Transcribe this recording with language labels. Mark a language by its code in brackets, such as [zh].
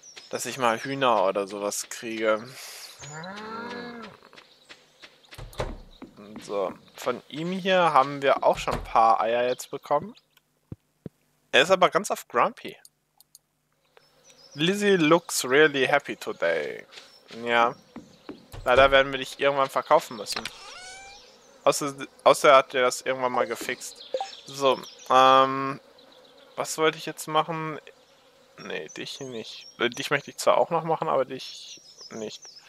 [de] Dass ich mal Hühner oder sowas kriege. So. Von ihm hier haben wir auch schon ein paar Eier jetzt bekommen. Er ist aber ganz auf Grumpy. [en] Lizzie looks really happy today. [de] Ja. Leider werden wir dich irgendwann verkaufen müssen. Außer hat er das irgendwann mal gefixt. So, was wollte ich jetzt machen? Nee, dich nicht. Dich möchte ich zwar auch noch machen, aber dich nicht.